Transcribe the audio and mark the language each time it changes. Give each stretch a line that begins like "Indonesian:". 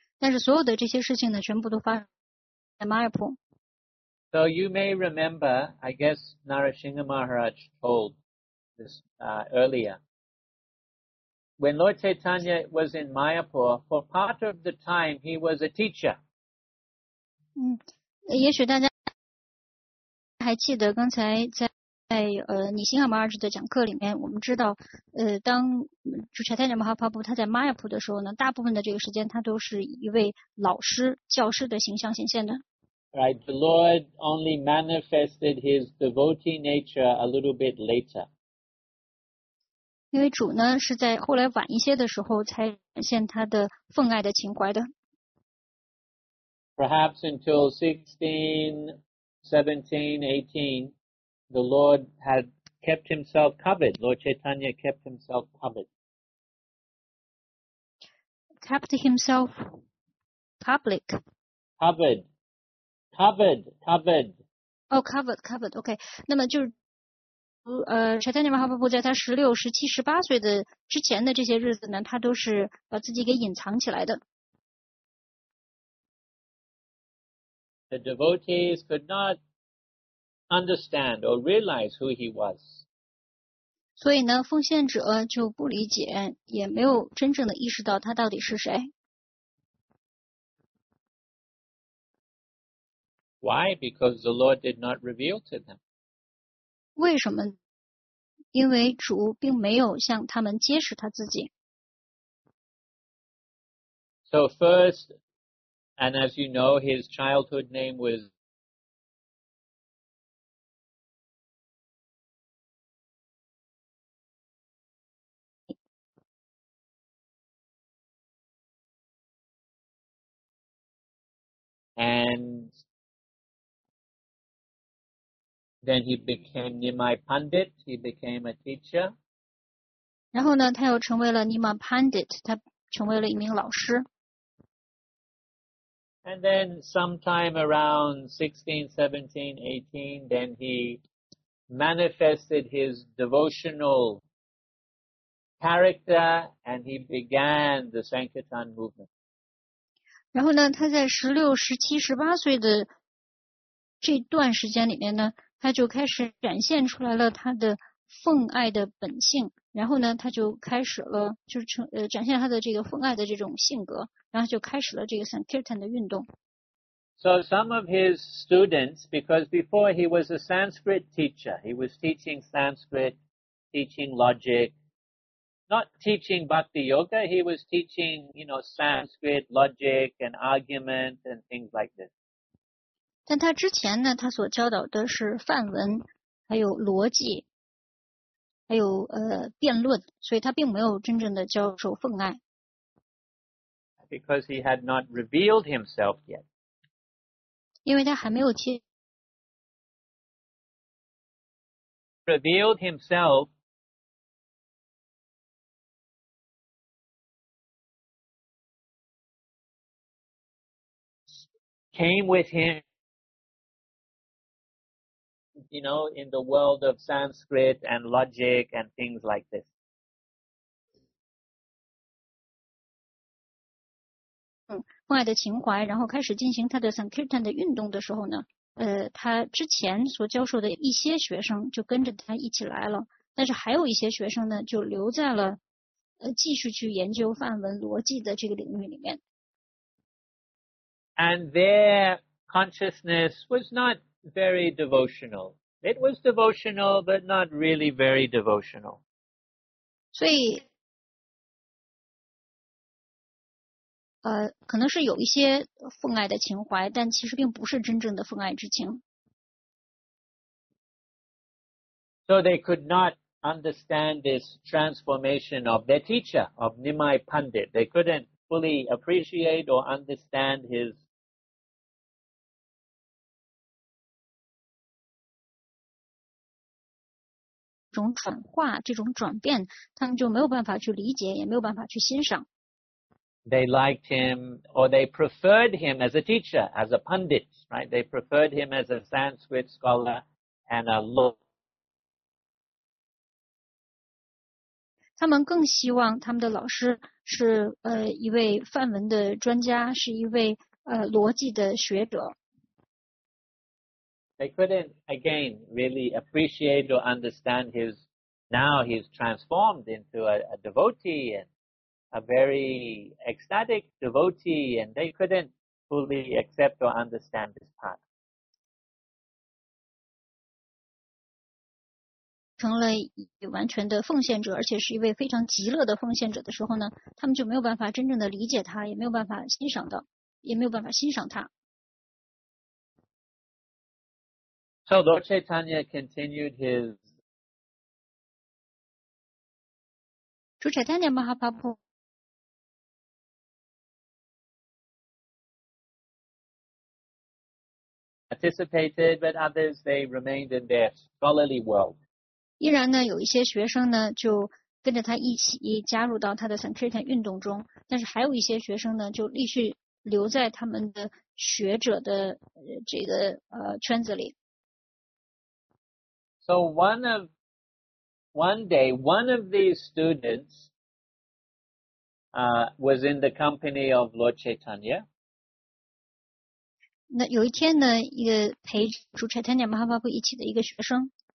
Chinese: 但是所有的这些事情呢, 全部都发生在 Mayapur。
English: So you may remember, I guess Narasimha Maharaj told this earlier. When Lord Chaitanya was in Mayapur, for part of the time he was a teacher.
Chinese: 也许大家还记得刚才在尼辛哈马尔什的讲课里面，我们知道，当主持泰坦尼马哈帕布他在麦阿普的时候呢，大部分的这个时间他都是一位老师、教师的形象显现的。
English: Right, the Lord only manifested his devotee nature a little bit later.
Chinese: 因为主呢, 是在后来晚一些的时候才显现他的奉爱的情怀的。
English: Perhaps until 16, 17, 18, the Lord had kept himself covered. Lord Chaitanya kept himself covered. Kept himself public. Covered. Covered, covered. Oh, covered, covered, okay.
Chinese: 那么就是, Chaitanya Mahaprabhu 在他 16, 17, 18 岁的之前的这些日子呢, 他都是把自己给隐藏起来的。
English: The devotees could not understand or realize who he was.
Chinese: 所以呢, 奉献者就不理解, 也没有真正的意识到他到底是谁。
English: Why? Because the Lord did not reveal to them.
Chinese: 为什么? 因为主并没有向他们揭示他自己。
English: So first, and as you know, his childhood name was Then he became Nimai Pandit, he became a teacher.
Chinese: 然后呢, 他又成为了 Nimai Pandit, 他成为了一名老师。
English: And then sometime around 16, 17, 18, then he manifested his devotional character and he began the Sankirtan movement.
Chinese: 然后呢, 他在 16, 17, 18岁的这段时间里面呢, 他就开始展现出来了他的奉爱的本性，然后呢，他就开始了，就是展现他的这个奉爱的这种性格，然后就开始了这个Sankirtan的运动。So
English: some of his students, because before he was a Sanskrit teacher, he was teaching Sanskrit, teaching logic, not teaching Bhakti Yoga. He was teaching, you know, Sanskrit logic and argument and things like this.
Chinese: 但他之前呢, 他所教导的是梵文, 还有逻辑, 还有, 辩论, 所以他并没有真正的教授奉爱。
English: Because he had not revealed himself yet.
Chinese: 因为他还没有揭示。
English: Revealed himself. Came with him. You know, in the world of Sanskrit and logic and things like this.
Chinese: 父爱的情怀，然后开始进行他的 Sankirtan 的运动的时候呢，他之前所教授的一些学生就跟着他一起来了，但是还有一些学生呢就留在了继续去研究梵文逻辑的这个领域里面。
English: And their consciousness was not very devotional. It was devotional, but not really very devotional.
Chinese: 所以可能是有一些奉爱的情怀，但其实并不是真正的奉爱之情。
English: So they could not understand this transformation of their teacher, of Nimai Pandit. They couldn't fully appreciate or understand his
Chinese: 这种转化，这种转变，他们就没有办法去理解，也没有办法去欣赏。
English: They liked him, or they preferred him as a teacher, as a pundit, right? They preferred him as a Sanskrit scholar and a lord.
Chinese: 他们更希望他们的老师是一位梵文的专家，是一位逻辑的学者。
English: They couldn't, again, really appreciate or understand his, now he's transformed into a devotee and a very ecstatic devotee, and they couldn't fully accept or understand this part.
Chinese: 成了完全的奉献者，而且是一位非常极乐的奉献者的时候呢，他们就没有办法真正的理解他，也没有办法欣赏到，也没有办法欣赏他。
English: So Lord Chaitanya continued his.
Chinese: 主彩丹尼马哈帕普。
English: Participated, but others they remained in their scholarly world.
Chinese: 依然呢，有一些学生呢就跟着他一起加入到他的 Sankirtan 运动中，但是还有一些学生呢就继续留在他们的学者的这个圈子里。
English: So one day, one of these students was in the company of Lord Chaitanya.
Chinese: 那有一天呢，一个陪主 Chaitanya Mahaprabhu 一起的一个学生。